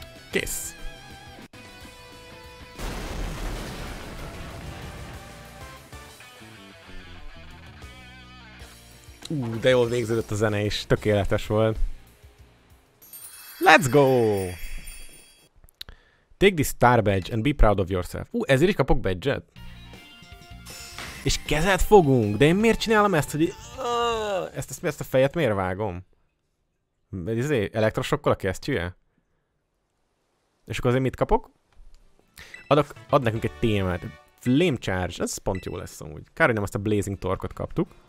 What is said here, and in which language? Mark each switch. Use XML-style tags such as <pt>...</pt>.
<hu>Kész. De jól végződött a zene is, tökéletes volt.</hu> <en>Let's go! Take this star badge and be proud of yourself.</en> <hu>Ezért is kapok badge-et? És kezet fogunk, de én miért csinálom ezt, hogy ezt a fejet miért vágom? Ez elektrosokkal a kesztyűje? És akkor azért mit kapok? Ad nekünk egy témát. Flame charge, ez pont jó lesz amúgy. Kár, hogy nem azt a blazing torque-ot kaptuk.</hu>